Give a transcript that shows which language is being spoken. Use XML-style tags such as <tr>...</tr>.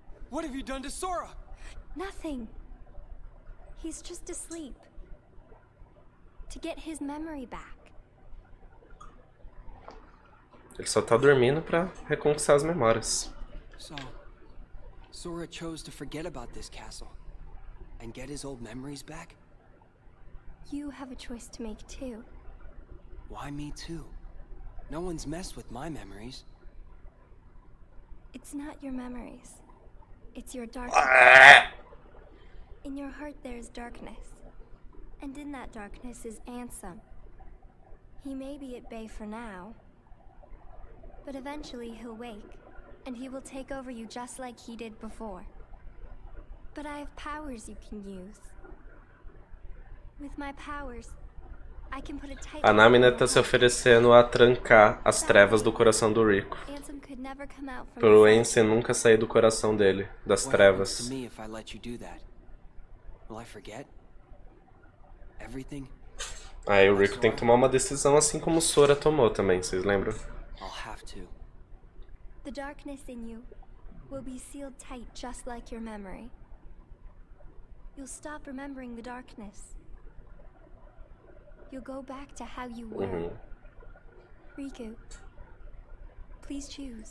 <en>What have you done to Sora? Nothing. He's just asleep. To get his memory back.</en> <pt>Ele só tá dormindo para reconquistar as memórias.</pt> <en>So... Sora chose to forget about this castle and get his old memories back. You have a choice to make too. Why me too? No one's messed with my memories. It's not your memories. It's your dark. In your heart there's darkness. And in that darkness is Ansem. He may be at bay for now. But eventually he'll wake, and he will take over you just like he did before. But I have powers you can use. With my powers, I can put a tight...</en> <pt>A Namina tá se oferecendo a trancar as trevas do coração do Rico.</pt> <en>Ansem could never come out from...</en> <pt>Pro Ansem nunca sair do coração dele, das trevas.</pt> <en>Me, if I let you do that? Will I forget? Everything?</en> <pt>Aí o Rico tem que tomar uma decisão, assim como o Sora tomou também, vocês lembram?</pt> <en>I'll have to. The darkness in you will be sealed tight just like your memory. You'll stop remembering the darkness. You'll go back to how you were. Riku, please choose.</en>